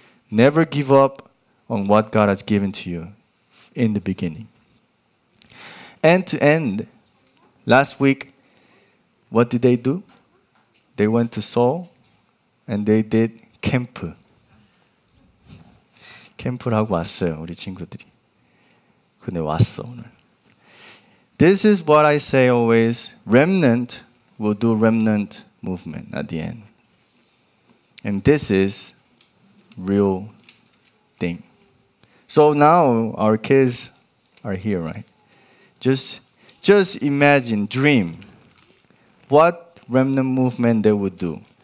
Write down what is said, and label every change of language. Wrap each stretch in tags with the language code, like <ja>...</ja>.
<en>Never give up on what God has given to you in the beginning. End to end, last week, what did they do? They went to Seoul, and they did camp.</en> <ko>캠프라고 왔어요, 우리 친구들이. 근데 왔어, 오늘.</ko> <en>This is what I say always, remnant will do remnant movement at the end. And this is real thing. So now our kids are here, right? Just imagine, dream what remnant movement they would do.</en>